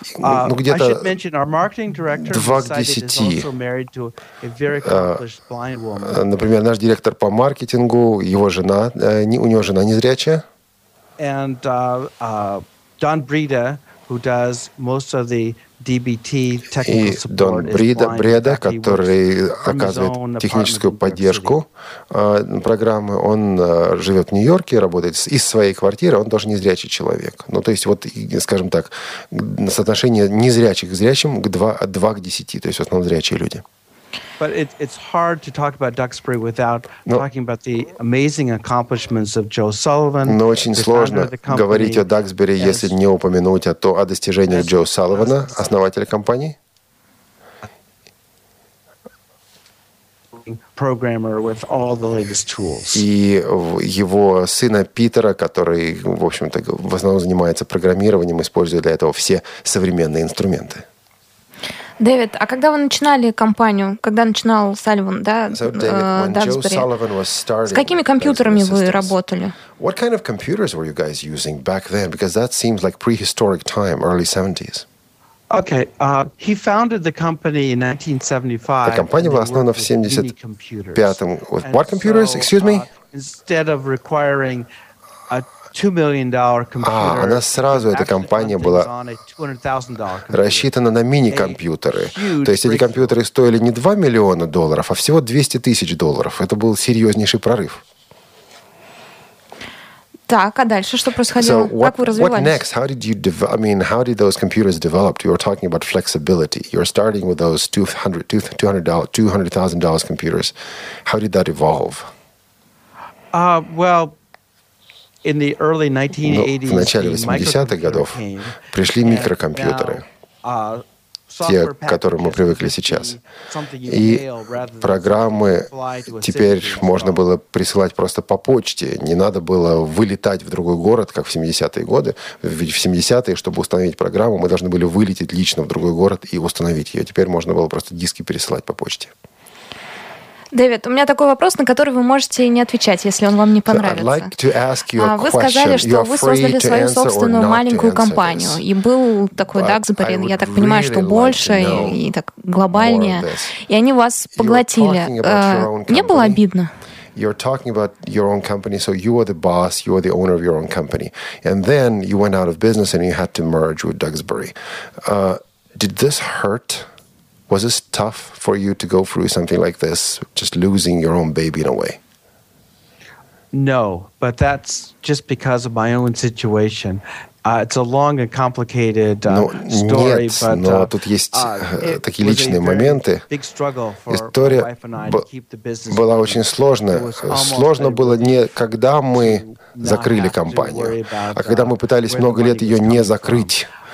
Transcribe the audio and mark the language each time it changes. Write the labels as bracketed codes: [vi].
[en] I should mention our marketing director who is also married to a very accomplished blind woman. [ru] Например, наш директор по маркетингу, его жена, у него жена незрячая. [en] And Don Breda, who does most of the DBT technical support. [ru] И Дон Бреда, который оказывает техническую поддержку программы, он живет в Нью-Йорке, работает из своей квартиры, он тоже незрячий человек. Ну, то есть, вот, скажем так, соотношение незрячих к зрячим 2 к 10, то есть в основном зрячие люди. [en] But it's hard to talk about Duxbury without talking about the amazing accomplishments of Joe Sullivan. [ru] Но очень сложно говорить о Duxbury, если не упомянуть о достижениях Джо Салливана, основателя компании. [en] Programmer with all the latest tools. [ru] И его сына Питера, который, в общем-то, в основном занимается программированием, используя для этого все современные инструменты. Дэвид, а когда вы начинали компанию, когда начинал Салливан, да, Duxbury, с какими компьютерами вы работали? [en] What kind of computers were you guys using back then? Because that seems like prehistoric time, early 70s. Okay, he founded the company in 1975. The company was founded in 1975. What computers? So, excuse me. Instead of requiring a $2 million computer, [ru] она сразу эта компания была рассчитана на мини-компьютеры. То есть эти компьютеры стоили не $2 million, а всего $200,000. Это был серьезнейший прорыв. Так, а дальше что происходило? [en] So what, [ru] как вы развивались? [en] What next? How did you develop? I mean, how did those computers develop? You were talking about flexibility. You were starting with those $200,000 computers. How did that evolve? Well, in the early 1980s, [ru] в начале 80-х годов пришли микрокомпьютеры. Те, к которым мы привыкли сейчас. И программы теперь можно было присылать просто по почте. Не надо было вылетать в другой город, как в 70-е годы. Ведь в 70-е, чтобы установить программу, мы должны были вылететь лично в другой город и установить ее. Теперь можно было просто диски пересылать по почте. Дэвид, у меня такой вопрос, на который вы можете не отвечать, если он вам не понравится. [en] So I'd like to ask you a question. [ru] Вы сказали, что вы создали свою собственную маленькую компанию. И был такой Duxbury, я так понимаю, что больше и так глобальнее. И они вас поглотили. Не было обидно? [en] You're talking about your own company, so you are the boss, you are the owner of your own company. And then you went out of business and you had to merge with Duxbury. Did this hurt? Was this tough for you to go through something like this, just losing your own baby in a way? No, but that's just because of my own situation. It's a long and complicated story, [ru] нет, [en] but [ru] но тут есть такие личные моменты. [en] Big struggle for [ru] история была очень сложная. Сложно было не когда мы закрыли компанию, а когда мы пытались много лет ее не закрыть.